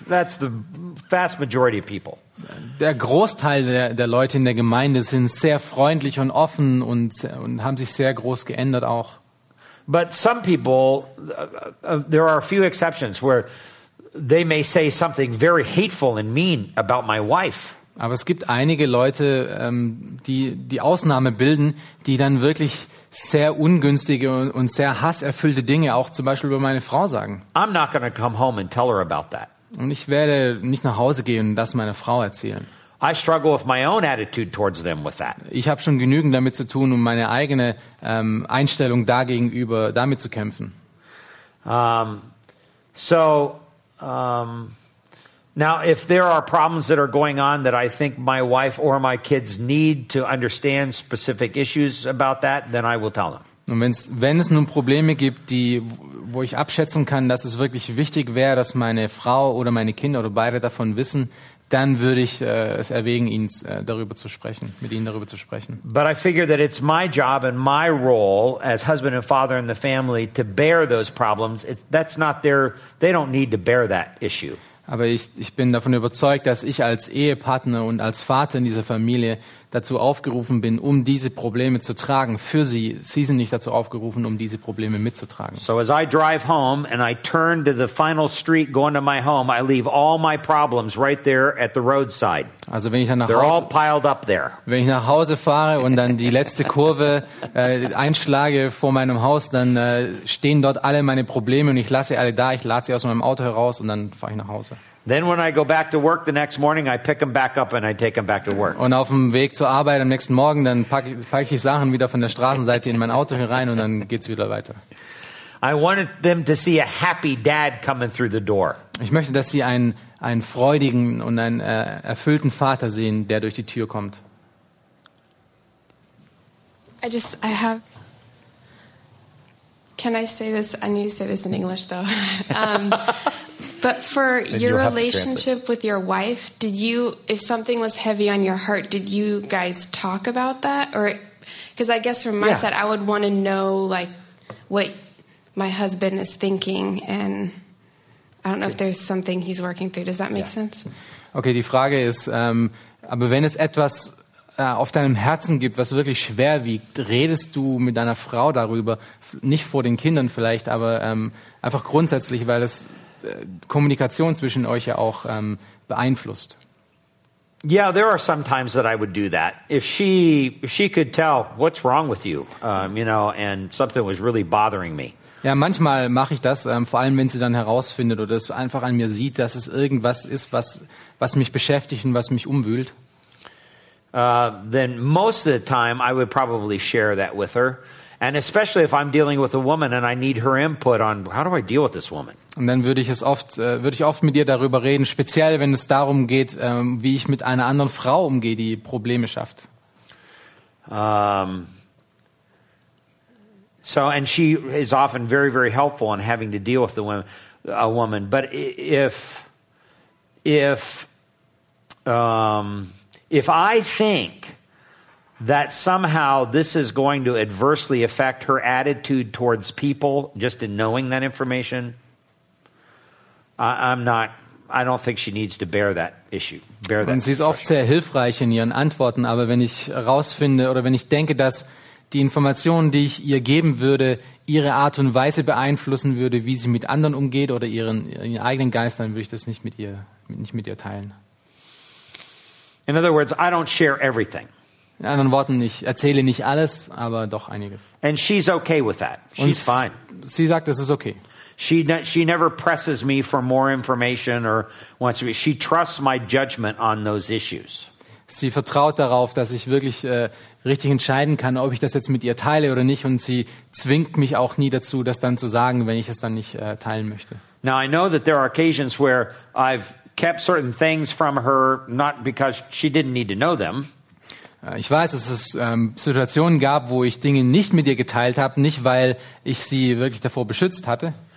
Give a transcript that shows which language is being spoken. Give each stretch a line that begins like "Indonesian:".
English: That's the vast majority of people.
German: Der Großteil der Leute in der Gemeinde sind sehr freundlich und offen und haben sich sehr groß geändert auch.
English: But some people, there are a few exceptions where they may say something very hateful and mean about my wife.
German: Aber es gibt einige Leute, die Ausnahme bilden, die dann wirklich sehr ungünstige und sehr hasserfüllte Dinge auch zum Beispiel über meine Frau sagen.
English: I'm not going to come home and tell her about that.
German: Und ich werde nicht nach Hause gehen und das meiner Frau erzählen.
English: I struggle with my own attitude towards them with that.
German: Ich habe schon genügend damit zu tun, um meine eigene Einstellung dagegenüber damit zu kämpfen.
English: So Now, if there are problems that are going on that I think my wife or my kids need to understand specific issues about that, then I will tell them.
German: Und wenn es nun Probleme gibt, die, wo ich abschätzen kann, dass es wirklich wichtig wäre, dass meine Frau oder meine Kinder oder beide davon wissen, dann würde ich es erwägen, mit ihnen darüber zu sprechen.
English: But I figure that it's my job and my role as husband and father in the family to bear those problems. They don't need to bear that issue.
German: Aber ich bin davon überzeugt, dass ich als Ehepartner und als Vater in dieser Familie dazu aufgerufen bin, um diese Probleme zu tragen für sie. Sie sind nicht dazu aufgerufen, um diese Probleme mitzutragen.
English: So as I drive home and I turn to the final street going to my home, I leave all my problems right there at the roadside.
German: Also wenn ich dann wenn ich nach Hause fahre und dann die letzte Kurve einschlage vor meinem Haus, dann stehen dort alle meine Probleme und ich lasse alle da. Ich lade sie aus meinem Auto heraus und dann fahre ich nach Hause.
English: Then when I go back to work the next morning, I pick them back up and I take them back to work.
German: Und auf dem Weg zur Arbeit am nächsten Morgen, dann packe ich die Sachen wieder von der Straßenseite in mein Auto herein und dann geht's wieder weiter.
English: I wanted them to see a happy dad coming through the door.
German: Ich möchte, dass sie einen freudigen und einen erfüllten Vater sehen, der durch die Tür kommt.
English: Can I say this? I need to say this in English though. But for your relationship with your wife, if something was heavy on your heart, did you guys talk about that? Or because I guess from my side, I would want to know like what my husband is thinking, and I don't know if there's something he's working through. Does that make sense?
German: Okay, die Frage ist, aber wenn es etwas auf deinem Herzen gibt, was wirklich schwer wiegt, redest du mit deiner Frau darüber, nicht vor den Kindern vielleicht, aber einfach grundsätzlich, weil es Kommunikation zwischen euch ja auch beeinflusst.
English: Yeah, there are some times that I would do that. If she could tell what's wrong with you, and something was really bothering me.
German: Ja, manchmal mache ich das, vor allem wenn sie dann herausfindet oder es einfach an mir sieht, dass es irgendwas ist, was mich beschäftigt und was mich umwühlt.
English: Then most of the time I would probably share that with her. And especially if I'm dealing with a woman and I need her input on how do I deal with this woman.
German: Und dann würde ich oft mit ihr darüber reden, speziell wenn es darum geht, wie ich mit einer anderen Frau umgehe, die Probleme schafft.
English: And she is often very, very helpful in having to deal with the women, a woman. But if I think that somehow this is going to adversely affect her attitude towards people just in knowing that information, I don't think she needs to bear that issue.
German: Und sie ist oft sehr hilfreich in ihren Antworten, aber wenn ich rausfinde oder wenn ich denke, dass die Informationen, die ich ihr geben würde, ihre Art und Weise beeinflussen würde, wie sie mit anderen umgeht oder ihren eigenen Geist, dann würde ich das nicht mit ihr teilen.
English: In other words, I don't share everything.
German: In anderen Worten, ich erzähle nicht alles, aber doch einiges.
English: And she's okay with that. She's fine.
German: Sie sagt, es ist okay.
English: She never presses me for more information or wants to be. She trusts my judgment on those issues.
German: Sie vertraut darauf, dass ich wirklich richtig entscheiden kann, ob ich das jetzt mit ihr teile oder nicht. Und sie zwingt mich auch nie dazu, das dann zu sagen, wenn ich es dann nicht teilen möchte.
English: Now I know that there are occasions where I've kept certain things from her, not because she didn't need to know them.
German: Ich weiß, dass es Situationen gab, wo ich Dinge nicht mit ihr geteilt habe, nicht weil ich sie wirklich davor beschützt hatte.